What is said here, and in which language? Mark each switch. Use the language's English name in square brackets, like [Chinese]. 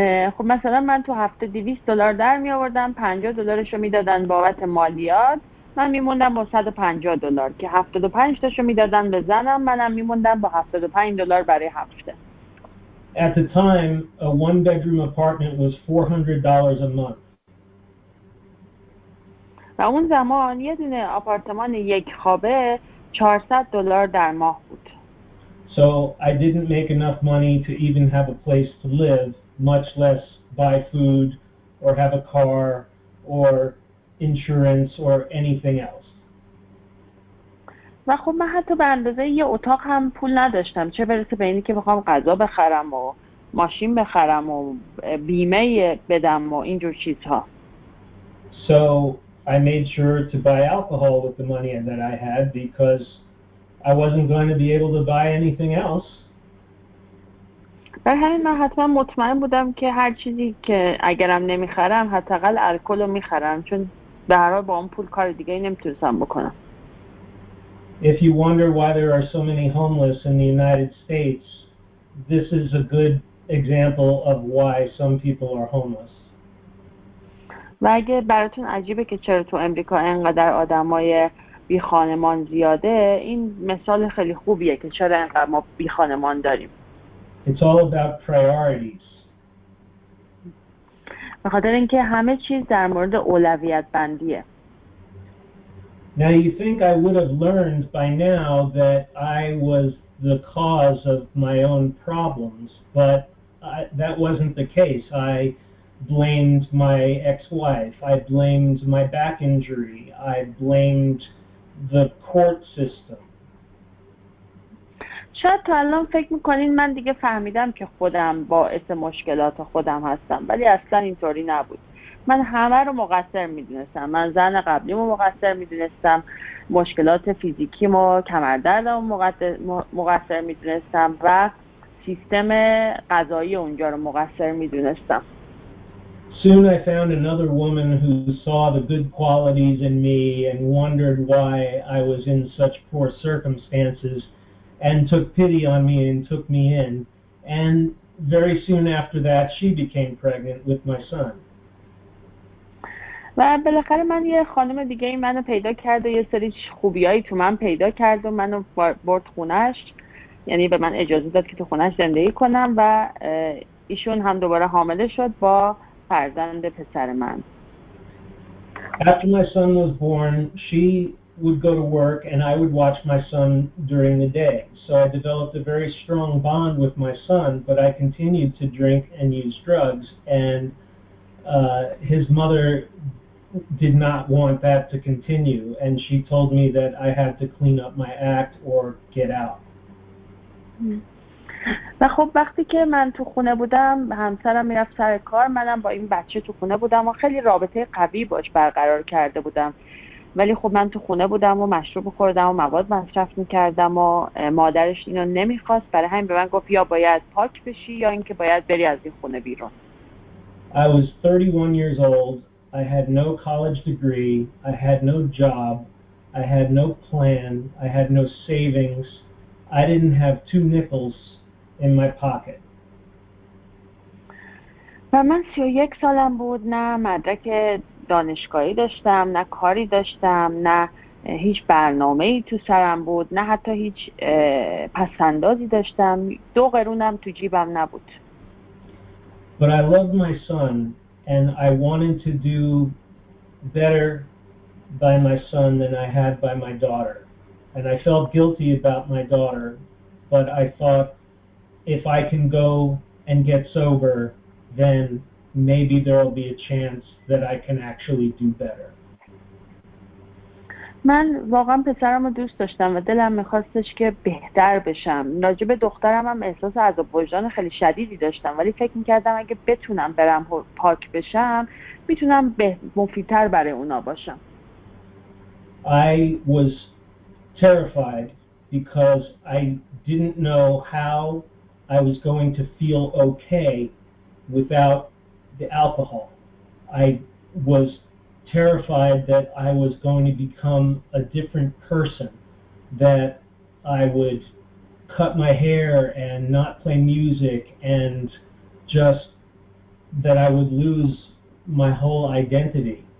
[Persian] خب مثلا من تو هفته $200 در می آوردم، $50 رو می دادن بابت مالیات، من می موندم با $150 که $75 رو می دادن به زنم، منم می موندم با $75 برای هفته. [English] At the time, a one-bedroom apartment was $400 a month. [Persian] و اون زمان یه دونه آپارتمان یک خوابه $400 در ماه بود. [English] So I didn't make enough money to even have a place to live, much less buy food or have a car or insurance or anything else. [Persian] و خب من حتی به اندازه یه اتاق هم پول نداشتم، چه برسه به اینی که بخوام غذا بخرم و ماشین بخرم و بیمه بدم و اینجور چیزها. [English] So I made sure to buy alcohol with the money that I had because I wasn't going to be able to buy anything else. [Persian] برای همین من حتما مطمئن بودم که هر چیزی که اگرم نمیخرم حداقل الکل رو میخرم، چون به هر حال با اون پول کار دیگه ای نمیتونستم بکنم. [English] If you wonder why there are so many homeless in the United States, this is a good example of why some people are homeless. [Persian] و اگه براتون عجیبه که چرا تو امریکا اینقدر آدم های بی خانمان زیاده، این مثال خیلی خوبیه که چرا اینقدر ما بی خانمان داریم. [English] It's all about priorities. [Persian] به خاطر اینکه همه چیز در مورد اولویت بندیه. [English] Now you think I would have learned by now that I was the cause of my own problems, but that wasn't the case. I blamed my ex-wife, I blamed my back injury, I blamed the court system. [Persian] شاید تا الان فکر میکنین من دیگه فهمیدم که خودم باعث مشکلات خودم هستم، ولی اصلا اینطوری نبود. من همه رو مقصر میدونستم، من زن قبلیمو مقصر میدونستم، مشکلات فیزیکیمو، کمردردمو مقصر میدونستم و سیستم قضایی اونجا رو مقصر میدونستم. [English] Soon I found another woman who saw the good qualities in me and wondered why I was in such poor circumstances and took pity on me and took me in. And very soon after that, she became pregnant with my son. [Persian] و بالاخره من یه خانم دیگه ای منو پیدا کرد و یه سری خوبیایی تو من پیدا کرد و منو برد خونش، یعنی به من اجازه داد که تو خونش زندگی کنم و ایشون هم دوباره حامله شد با فرزند پسر من. [English] After my son was born, she would go to work and I would watch my son during the day. So I developed a very strong bond with my son, but I continued to drink and use drugs, and his mother did not want that to continue, and she told me that I had to clean up my act or get out. [Persian] و خب وقتی که من تو خونه بودم، همسرم میرفت سر کار، منم با این بچه تو خونه بودم و خیلی رابطه قوی باش برقرار کرده بودم، ولی خب من تو خونه بودم و مشروب خوردم و مواد مصرف میکردم و مادرش اینو نمیخواست، برای همین به من گفت یا باید پاک بشی یا اینکه باید بری از این خونه بیرون. [English] I was 31 years old. I had no college degree. I had no job. I had no plan. I had no savings. I didn't have two nickels in my pocket. [Persian] و من 31 سالم بود، نه مدرک دانشگاهی داشتم، نه کاری داشتم، نه هیچ برنامه‌ای تو سرم بود، نه حتی هیچ پس‌اندازی داشتم، دو قرونم تو جیبم نبود. [English] But I loved my son and I wanted to do better by my son than I had by my daughter. And I felt guilty about my daughter, but I thought if I can go and get sober, then maybe there will be a chance that I can actually do better. [Persian] من واقعا پسرم رو دوست داشتم و دلم می‌خواستش که بهتر بشم. راجب دخترم هم احساس عذاب وجدان خیلی شدیدی داشتم، ولی فکر می‌کردم اگه بتونم برم پاک بشم، میتونم مفیدتر برای اونا باشم. [English] I was terrified because I didn't know how I was going to feel okay without the alcohol. I was terrified that I was going to become a different person, that I would cut my hair and not play music and just that I would lose my whole identity.